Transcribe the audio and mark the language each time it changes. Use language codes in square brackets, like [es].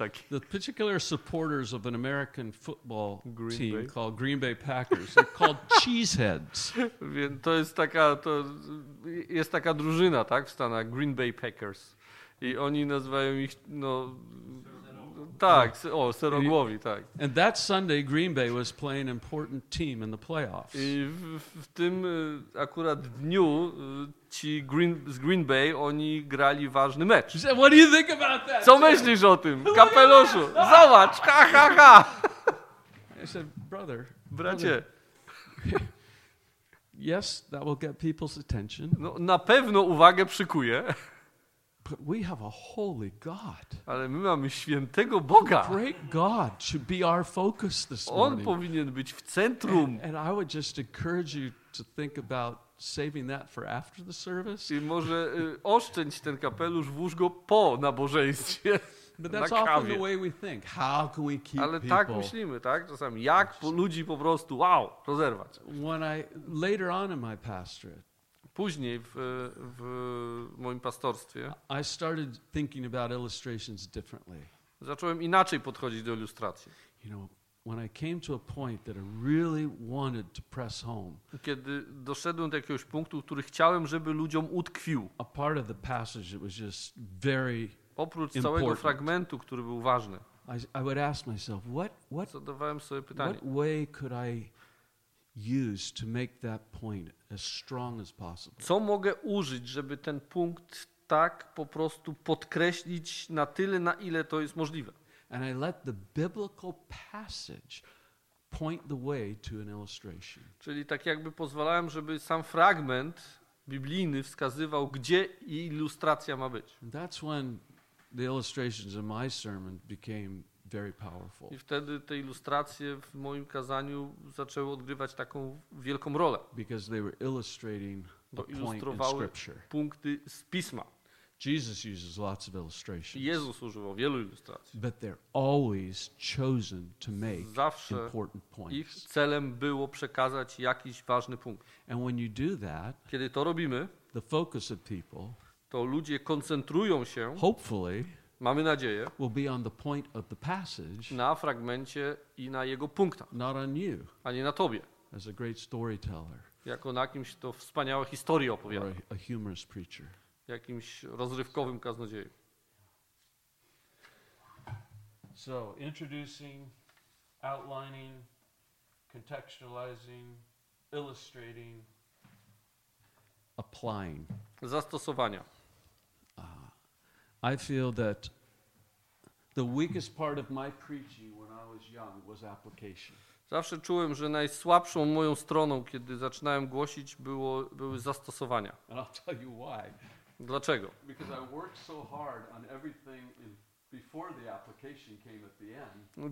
[en] The particular supporters of an American football team called Green Bay Packers are called cheeseheads. [pl] Więc to jest taka, to jest taka drużyna, tak, w Stanach, Green Bay Packers, i oni nazywają ich, no, tak, o, serogłowi, tak. [en] And that Sunday, Green Bay was playing an important team in the playoffs. [pl] I w tym akurat dniu ci z Green Bay, oni grali ważny mecz. [en] He said, what do you think about that? [pl] Co myślisz o tym, kapeluszu? Zobacz, ha, ha, ha. [en] I said, brother. [pl] Bracie. [en] Yes, that will get people's attention. [pl] No, na pewno uwagę przykuje. [en] But we have a holy God. [pl] Ale my mamy świętego Boga. [en] Great God should be our focus this morning. [pl] On powinien być w centrum. [en] And I would just encourage you to think about saving that for after the service. [pl] I może oszczędź ten kapelusz, włóż go po nabożeństwie. [en] But that's often the way we think. How can we keep people? [pl] Ale tak myślimy, tak? Czasami jak ludzi po prostu wow, rozerwać. [en] When I later on in my pastorate. [pl] Później w moim pastorstwie [en] I started thinking about illustrations differently. [pl] Zacząłem inaczej podchodzić do ilustracji. [en] You know, when I came to a point that I really wanted to press home. [pl] Kiedy doszedłem do jakiegoś punktu, który chciałem, żeby ludziom utkwił. [en] A part of the passage that was just very [pl] oprócz całego [en] important. [pl] Fragmentu, który był ważny. [en] I would ask myself, what [pl] zadawałem sobie pytanie. [en] What way could I use to make that point as strong as possible. [pl] Co mogę użyć, żeby ten punkt tak po prostu podkreślić na tyle, na ile to jest możliwe? [en] And I let the biblical passage point the way to an illustration. [pl] Czyli tak jakby pozwalałem, żeby sam fragment biblijny wskazywał, gdzie ilustracja ma być. [en] And that's when the illustrations in my sermon became very powerful. [pl] I wtedy te ilustracje w moim kazaniu zaczęły odgrywać taką wielką rolę. [en] Because they were illustrating [pl] bo ilustrowały punkty z Pisma. [en] Jesus uses lots of illustrations. [pl] Jezus używał wielu ilustracji. [en] But they're always chosen to make [pl] zawsze [en] important points. [pl] Ich celem było przekazać jakiś ważny punkt. [en] And when you do that, [pl] kiedy to robimy, [en] the focus of people, [pl] to ludzie koncentrują się [en] hopefully [pl] mamy nadzieję, [en] will be on the point of the passage, [pl] na fragmencie i na jego punktach, [en] not on you, [pl] a nie na tobie, [en] as a great storyteller, [pl] jako na kimś, kto wspaniałe historie opowiada, [en] or a humorous preacher. [pl] Jakimś rozrywkowym kaznodzieju. [en] So, introducing, outlining, contextualizing, illustrating, applying. [pl] Zastosowania. [en] I feel that the weakest part of my preaching when I was young was application. [pl] Zawsze czułem, że najsłabszą moją stroną, kiedy zaczynałem głosić, były zastosowania. [en] And I'll tell you why. [pl] Dlaczego? [en] Because I worked so hard on everything before the application came at the end.